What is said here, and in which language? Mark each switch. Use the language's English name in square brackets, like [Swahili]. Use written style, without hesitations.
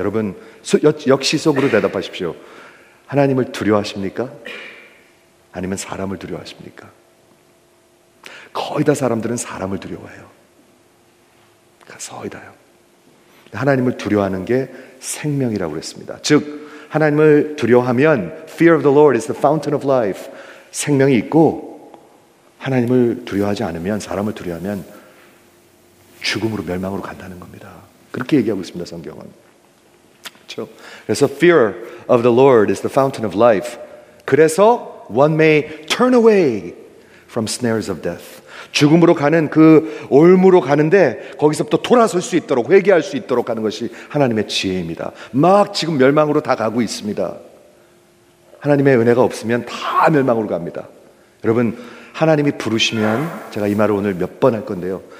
[Korean] 여러분 역시 속으로 대답하십시오. 하나님을 두려워하십니까? 아니면 사람을 두려워하십니까? 거의 다 사람들은 사람을 두려워해요. 거의 다요. 하나님을 두려워하는 게 생명이라고 그랬습니다. 즉 하나님을 두려워하면 [English] Fear of the Lord is the fountain of life. [Korean] 생명이 있고 하나님을 두려워하지 않으면 사람을 두려워하면 죽음으로 멸망으로 간다는 겁니다. 그렇게 얘기하고 있습니다. 성경은. 그렇죠? 그래서 [English] Fear of the Lord is the fountain of life. [Korean] 그래서 [English] One may turn away from snares of death. [Korean] 죽음으로 가는 그 올무로 가는데 거기서부터 돌아설 수 있도록 회개할 수 있도록 하는 것이 하나님의 지혜입니다. 막 지금 멸망으로 다 가고 있습니다. 하나님의 은혜가 없으면 다 멸망으로 갑니다. 여러분 하나님이 부르시면 제가 이 말을 오늘 몇 번 할 건데요.